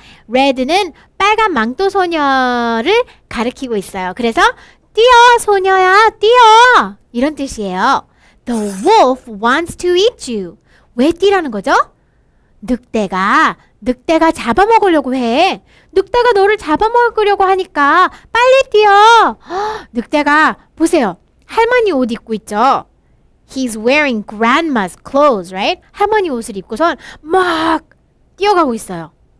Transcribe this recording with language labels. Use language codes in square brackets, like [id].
[ko] Red는 빨간 망토 소녀를 가리키고 있어요. 그래서 뛰어, 소녀야, 뛰어! 이런 뜻이에요. [en] The wolf wants to eat you. [ko] 왜 뛰라는 거죠? 늑대가 잡아먹으려고 해. 늑대가 너를 잡아먹으려고 하니까 빨리 뛰어. 늑대가, 보세요. 할머니 옷 입고 있죠? [en] He's wearing grandma's clothes, right? [ko] 할머니 옷을 입고선 막 뛰어가고 있어요.